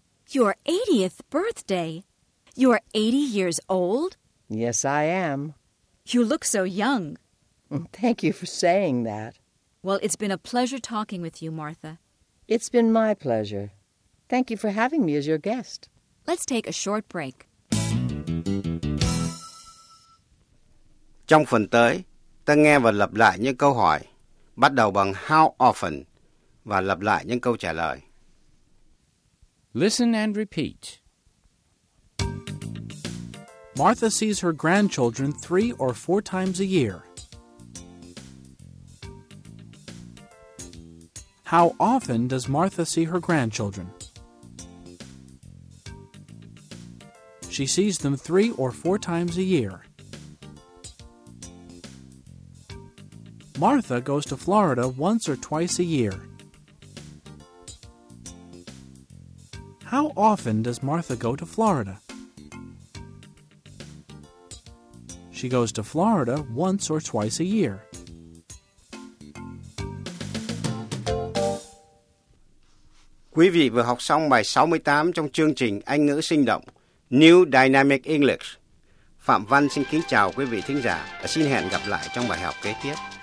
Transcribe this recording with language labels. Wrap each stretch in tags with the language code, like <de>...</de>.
<en>Your 80th birthday? You're 80 years old? Yes, I am. You look so young. Thank you for saying that. Well, it's been a pleasure talking with you, Martha. It's been my pleasure. Thank you for having me as your guest. Let's take a short break.</en> <vi>Trong phần tới, ta nghe và lặp lại những câu hỏi, bắt đầu bằng how often và lặp lại những câu trả lời.</vi> <en>Listen and repeat. Martha sees her grandchildren 3 or 4 times a year. How often does Martha see her grandchildren? She sees them 3 or 4 times a year. Martha goes to Florida once or twice a year. How often does Martha go to Florida? She goes to Florida once or twice a year.</en> <vi>Quý vị vừa học xong bài 68 trong chương trình Anh ngữ sinh động, New Dynamic English. Phạm Văn xin kính chào quý vị thính giả và xin hẹn gặp lại trong bài học kế tiếp.</vi>